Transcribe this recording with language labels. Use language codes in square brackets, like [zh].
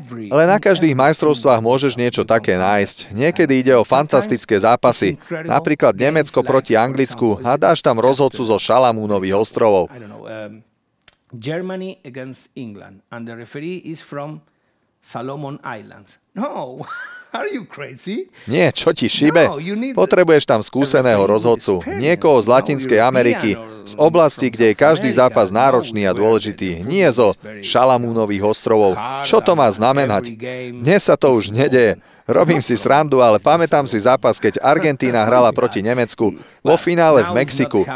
[sk] Ale na každých majstrovstvách môžeš niečo také nájsť. Niekedy ide o fantastické zápasy. Napríklad Nemecko proti Anglicku a dáš tam rozhodcu zo Šalamúnových ostrovov. [en] Germany against England and the referee is from Solomon Islands. No, are you crazy? [sk] Nie, čo ti šibe? Potrebuješ tam skúseného rozhodcu, niekoho z Latinskej Ameriky, z oblasti, kde je každý zápas náročný a dôležitý, nie zo Šalamúnových ostrovov. Čo to má znamenať? Dnes sa to už nedeje. Robím si srandu, ale pamätám si zápas, keď Argentína hrala proti Nemecku vo finále v Mexiku.